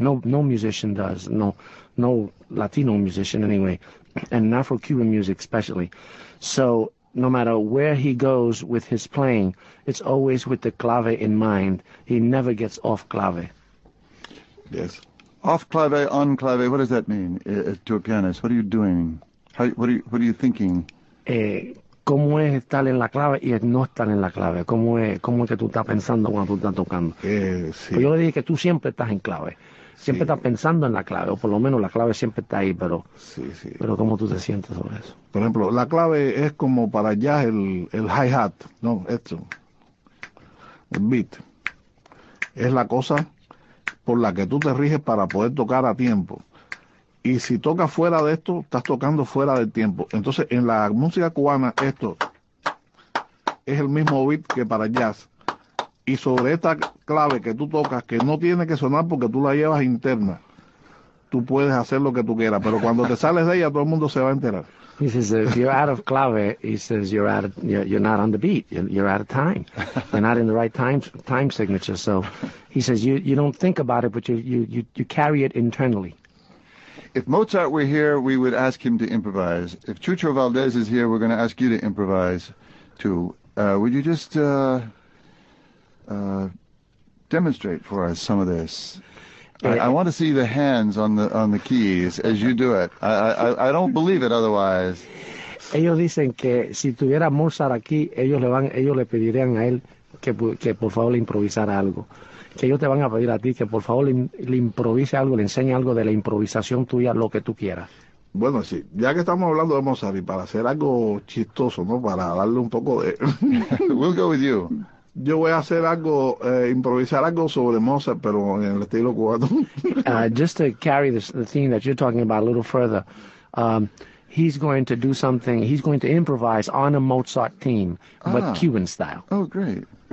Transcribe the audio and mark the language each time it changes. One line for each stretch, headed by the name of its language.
English: No musician does. No Latino musician anyway, and Afro-Cuban music especially. So no matter where he goes with his playing, it's always with the clave in mind. He never gets off clave. Yes. Off clave, on clave, what does that mean to a pianist? What are you doing? What are you thinking?
Spanish: ¿Cómo es estar en la clave y no estar en la clave? ¿Cómo es que tú estás pensando cuando tú estás tocando? Sí. Pues yo le dije que tú siempre estás en clave. Siempre sí. Está pensando en la clave, o por lo menos la clave siempre está ahí, pero sí. Pero ¿cómo tú te sientes sobre eso? Por ejemplo, la clave es como para jazz el hi-hat, ¿no? Esto, el beat. Es la cosa por la que tú te riges para poder tocar a tiempo. Y si tocas fuera de esto, estás tocando fuera del tiempo. Entonces, en la música cubana, esto es el mismo beat que para jazz. Y sobre esta clave que tú tocas, que no tiene que sonar porque tú la llevas interna, tú puedes hacer lo que tú quieras. Pero cuando te sales de ella, todo el mundo se va a enterar.
English: He says, if you're out of clave, he says, you're not on the beat. You're out of time. You're not in the right time signature. So he says, you don't think about it, but you carry it internally. If Mozart were here, we would ask him to improvise. If Chucho Valdez is here, we're going to ask you to improvise, too. Would you just demonstrate for us some of this? I want to see the hands on the keys as you do it. I don't believe it otherwise.
Spanish: Ellos dicen que si tuviera Mozart aquí, ellos le pedirían a él que por favor le improvisara algo. Que ellos te van a pedir a ti que por favor le improvise algo, le enseñe algo de la improvisación tuya, lo que tú quieras. Bueno, sí, ya que estamos hablando de Mozart, y para hacer algo chistoso, ¿no? Para darle un poco de...
English: We'll go with you.
Spanish: Yo voy a hacer algo, improvisar algo sobre Mozart, pero en el estilo cubano.
English: just to carry the theme that you're talking about a little further, he's going to do something, he's going to improvise on a Mozart theme, but Cuban style. Oh, great.